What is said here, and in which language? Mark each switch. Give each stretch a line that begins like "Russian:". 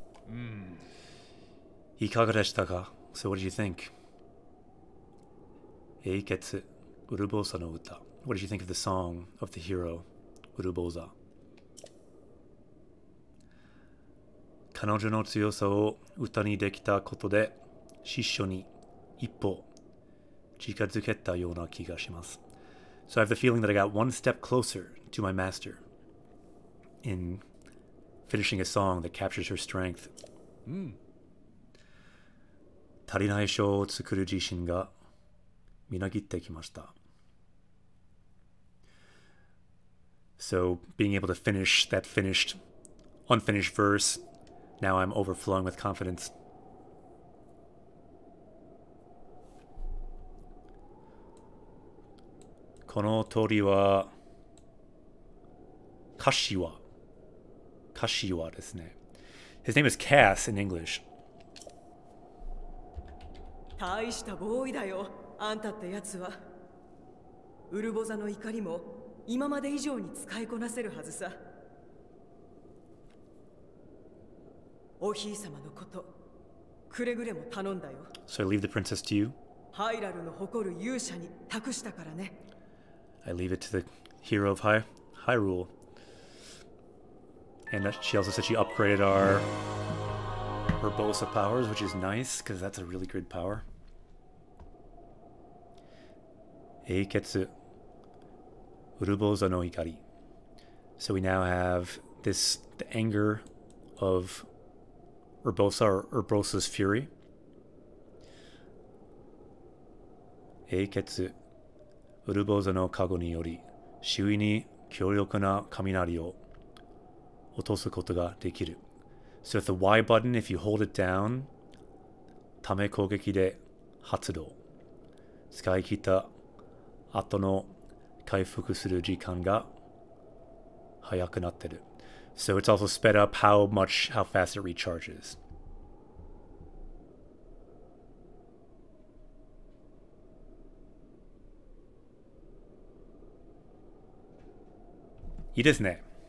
Japanese: Mmm. いかがでしたか?
English: So what did you think?
Japanese: 英傑、ウルボーサの歌。
English: What did you think of the song of the hero, ウルボーサ?
Japanese: 彼女の強さを歌にできたことで、師匠に一歩近づけたような気がします。
English: So I have the feeling that I got one step closer to my master in finishing a song that captures her strength. Mm.
Japanese: 足りない章を作る自信がみなぎってきました。
English: So being able to finish that finished, unfinished verse, now I'm overflowing with confidence.
Japanese: この通りは、柏ですね。
English: His name is Cass in English.
Japanese: 大したボーイだよ、あんたってやつは。ウルボザの怒りも今まで以上に使いこなせるはずさ。おひいさまのこと、くれぐれも頼んだよ。
English: So I leave the princess to you?
Japanese: ハイラルの誇る勇者に託したからね。
English: I leave it to the hero of Hyrule. And that she also said she upgraded her Bosa powers, which is nice, because that's a really good power.
Japanese: 英傑、ウルボザの怒り。
English: So we now have this, the anger of Urbosa or Urbosa's fury.
Japanese: 英傑、ウルボザの加護により周囲に強力な雷を落とすことができる。
English: So the Y button, if you hold it down,
Japanese: ため攻撃で発動。使い切った後の回復する時間が早くなってる。
English: So it's also sped up how fast it recharges.
Japanese: いいですね。